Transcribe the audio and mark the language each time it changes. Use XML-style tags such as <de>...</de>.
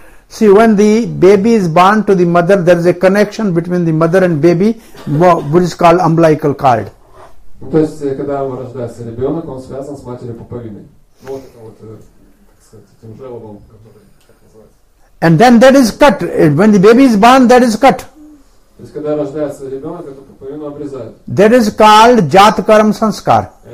<en>See, when the baby is born to the mother, there is a connection between the mother and baby, which is called umbilical cord.</en> <ru>То есть, когда рождается ребенок, он связан с матерью пуповиной. Вот это вот, так сказать, этим желобом, который...</ru> <en>And then that is cut. When the baby is born, that is cut. That is called Jatakarma Sanskar.</en>